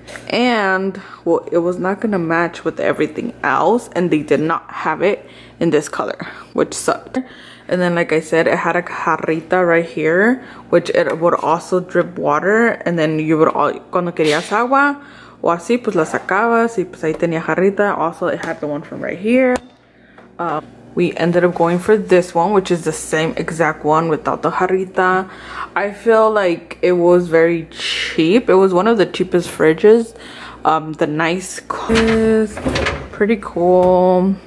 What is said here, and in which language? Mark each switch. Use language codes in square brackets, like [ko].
[en] And, well, it was not gonna match with everything else, and they did not have it in this color, which sucked. And then, like I said, it had a jarrita right here, which it would also drip water, and then you would all, [es] cuando querías agua, o así, pues la sacabas y pues ahí tenía jarrita. [en] Also, it had the one from right here. We ended up going for this one, which is the same exact one without the jarrita. I feel like it was very cheap. It was one of the cheapest fridges. The nice is pretty cool.